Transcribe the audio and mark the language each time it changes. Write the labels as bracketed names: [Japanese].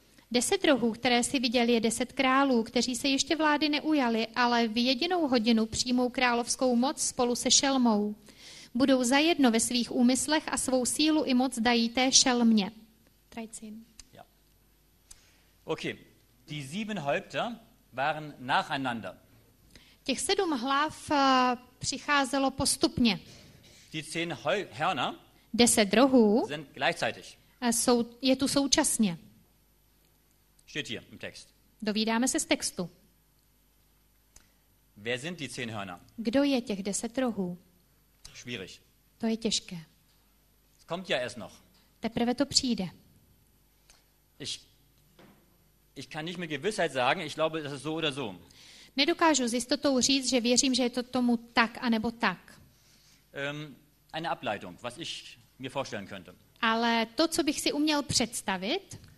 [Czech] 10 rohů, které si viděl, je 10 králů, kteří se ještě vlády neujali, ale v jedinou hodinu přijmou královskou moc spolu se šelmou. Budou zajedno ve svých úmyslech a svou sílu i moc dají té šelmě. Trajcin. [German] Ja. Okay. Die sieben Häupter waren nacheinander. [Czech] Těch sedm hlav přicházelo postupně. [German] Die zehn Hörner. [Czech] 10 rohů. [German] Sind gleichzeitig. [Czech] Je tu současně. [German] Steht hier im Text. [Czech] Dovídáme se z textu. [German] Wer sind die 10 Hörner? [Czech] Kdo je těch 10 rohů? [German] Schwierig. [Czech] To je těžké. [German] Es kommt ja erst noch. [Czech] Teprve to přijde. [German] Ich kann nicht mit Gewissheit sagen, ich glaube, das ist so oder so. [Czech] Nedokážu s jistotou říct, že věřím, že je to tomu tak a nebo tak. [German] Eine Ableitung, was ich mir vorstellen könnte. [Czech] Ale to, co bych si uměl představit.